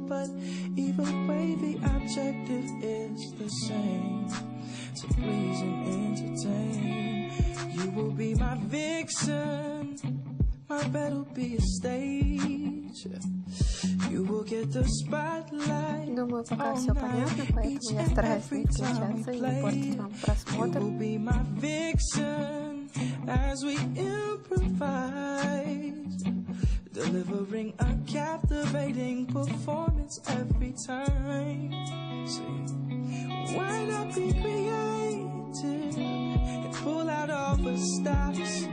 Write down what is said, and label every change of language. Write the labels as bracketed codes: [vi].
[en] But either way, the objective is the same: to please and entertain. You will be my vixen, my bed will be a stage. You will get the spotlight. [ru] Думаю, пока [en] all [ru] все night. Понятно, поэтому я стараюсь не включаться и не портить вам просмотр. [en] You will be my vixen. As we improvise, delivering a captivating performance every time. See, why not be creative and pull out all the stops?